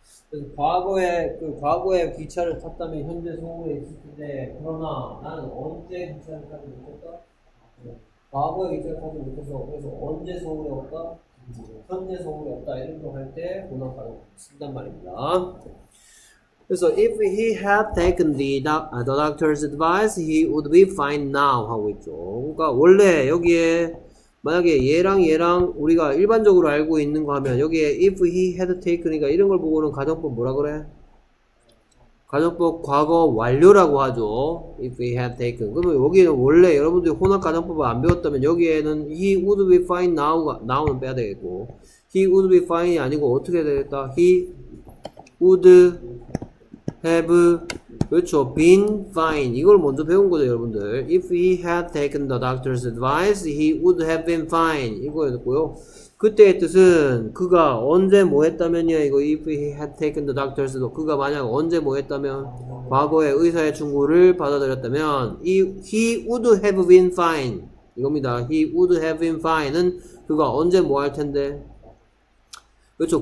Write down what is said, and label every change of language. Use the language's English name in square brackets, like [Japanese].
[Korean] 그래서 과거에 기차를 탔다면 현재 성공에 있을 텐데 그러나 나는 언제 기차를 타지 못했다? 과거에 기차를 타지 못해서 그래서 언제 성공에 없다? 현재 성공에 없다 이런 거 할 때 혼합가정법을 쓴단 말입니다. 그래서 [English] if he had taken the doctor's advice, he would be fine now [Korean] 하고 있죠. 그러니까 원래 여기에 만약에 얘랑 우리가 일반적으로 알고 있는 거 하면 여기에 [English] if he had taken [Korean] 이니까 이런 걸 보고는 가정법 뭐라 그래? 가정법 과거 완료라고 하죠. [English] if he had taken. [Korean] 그러면 여기는 원래 여러분들이 혼합 가정법을 안 배웠다면 여기에는 [English] he would be fine now [Korean] 는 빼야 되겠고 [English] he would be fine [Korean] 이 아니고 어떻게 되겠다? [English] he would have, [Korean] 그렇죠, [English] been fine. [Korean] 이걸 먼저 배운 거죠, 여러분들. [English] If he had taken the doctor's advice, he would have been fine. [Korean] 이거였고요. 그때의 뜻은, 그가 언제 뭐 했다면이야, 이거. [English] If he had taken the doctor's advice, [Korean] 그가 만약 언제 뭐 했다면, 과거에 의사의 충고를 받아들였다면, [English] he would have been fine. [Korean] 이겁니다. [English] He would have been fine [Korean] 은, 그가 언제 뭐 할 텐데, 그렇죠.